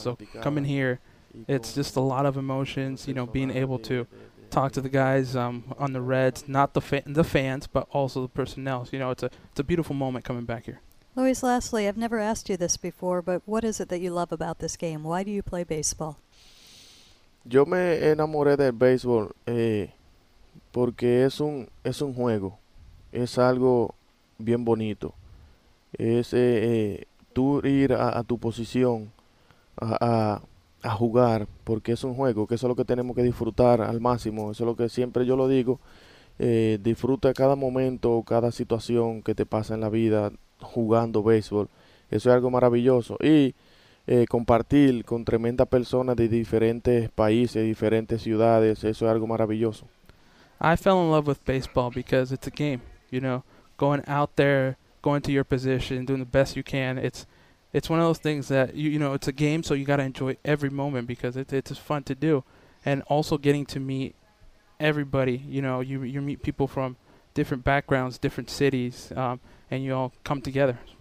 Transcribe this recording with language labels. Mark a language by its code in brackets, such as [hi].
[en] So coming here, it's just a lot of emotions. You know, being able to talk to the guys on the Reds, not the fans, but also the personnel. So, you know, it's a beautiful moment coming back here. Luis, lastly, I've never asked you this before, but what is it that you love about this game? Why do you play baseball? [es] Yo me enamoré del béisbol porque es un juego. Es algo bien bonito. Es tú ir a tu posición a jugar porque es un juego, que eso es lo que tenemos que disfrutar al máximo, eso es lo que siempre yo lo digo, disfruta cada momento, cada situación que te pasa en la vida jugando béisbol, eso es algo maravilloso y compartir con tremendas personas de diferentes países, diferentes ciudades, eso es algo maravilloso. [en] I fell in love with baseball because it's a game, you know, going out there, going to your position, doing the best you can, it's one of those things that, you know, it's a game, so you got to enjoy every moment because it's fun to do. and also getting to meet everybody. You know, you meet people from different backgrounds, different cities, and you all come together.